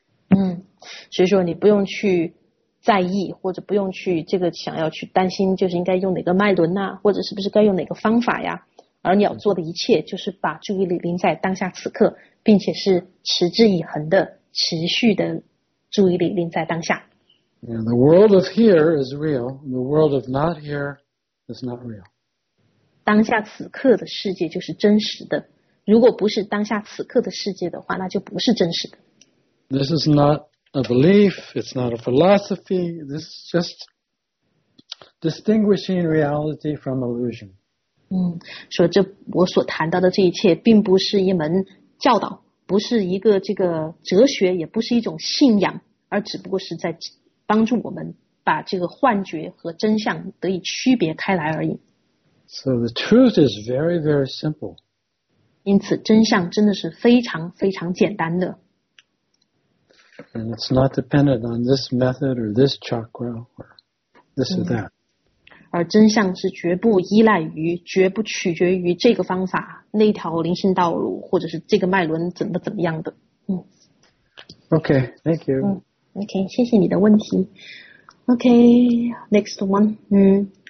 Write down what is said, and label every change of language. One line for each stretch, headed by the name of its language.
Chinese: 嗯，所以说你不用去在意，或者不用去这个想要去担心，就是应该用哪个脉轮啊，或者是不是该用哪个方法呀？而你要做的一切就是把注意力留在当下此刻，并且是持之以恒的持续的注意力留在当下。
English: Yeah, the world of here is real. The world of not here is not real.
Chinese: 当下此刻的世界就是真实的。如果不是当下此刻的世界的话，那就不是真实的。
English: This is not a belief. It's not a philosophy. This is just distinguishing reality from illusion.
Chinese: 嗯，说这我所谈到的这一切并不是一门教导，不是一个这个哲学，也不是一种信仰，而只不过是在帮助我们把这个幻觉和真相得以区别开来而已。
English: So the truth is very, very simple.
Chinese: 因此真相真的是非常非常简单的。
English: And it's not dependent on this method or this chakra or this or that.
Chinese: 而真相是绝不依赖于、绝不取决于这个方法、那条灵性道路或者是这个脉轮怎么怎么样的。
English: Okay, thank you.
Chinese: Okay, 谢谢你的问题。
English: Okay, next one.